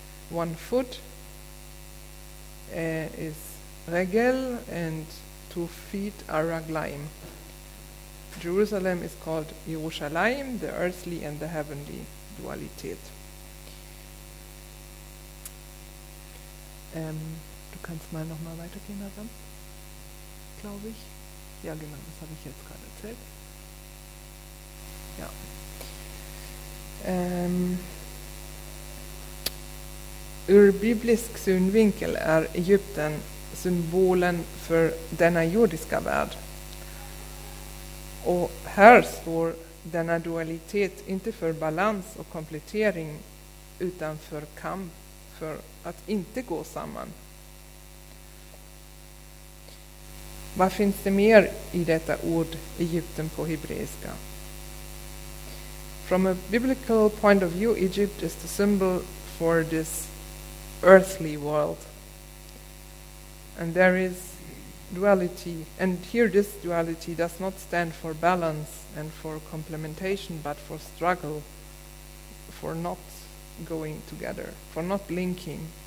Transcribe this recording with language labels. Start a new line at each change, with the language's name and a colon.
English: One foot is regel, and two feet are raglaim. Jerusalem is called Yerushalayim, the earthly and the heavenly dualität.
German: Du kannst mal noch mal weitergehen, Adam, glaube ich. Ja, genau, das habe ich jetzt gerade erzählt. Ja.
Swedish: Ur biblisk synvinkel är Egypten symbolen för denna jordiska värld. Och här står denna dualitet inte för balans och komplettering, utan för kamp, för att inte gå samman. Vad finns det mer i detta ord Egypten på hebreiska?
English: From a biblical point of view, Egypt is the symbol for this earthly world. And there is duality. And here this duality does not stand for balance and for complementation, but for struggle, for not going together, for not linking.